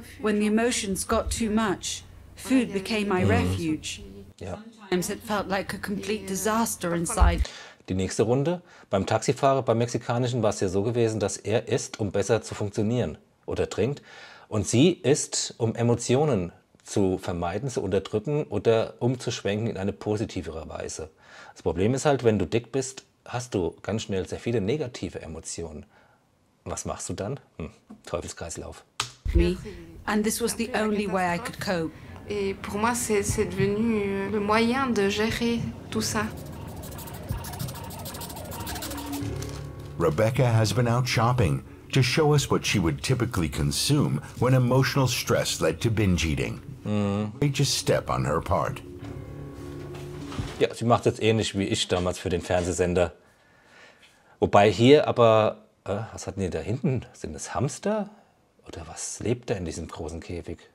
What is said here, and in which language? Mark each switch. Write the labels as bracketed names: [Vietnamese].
[English] When the emotions got too much, food became my refuge. Sometimes it felt like a complete disaster inside. [German] Die nächste Runde, beim Taxifahrer, beim Mexikanischen, war es ja so gewesen, dass er isst, um besser zu funktionieren oder trinkt. Und sie isst, um Emotionen zu vermeiden, zu unterdrücken oder umzuschwenken in eine positivere Weise. Das Problem ist halt, wenn du dick bist, hast du ganz schnell sehr viele negative Emotionen. Was machst du dann? Teufelskreislauf. [English] And this was the only way I could cope. [French] Et pour moi, c'est devenu le moyen de gérer tout ça. [English] Rebecca has been out shopping to show us what she would typically consume when emotional stress led to binge eating. Courageous step on her part. [German] Ja, sie macht jetzt ähnlich wie ich damals für den Fernsehsender. Wobei hier aber, was hatten die da hinten? Sind es Hamster? Oder was lebt da in diesem großen Käfig?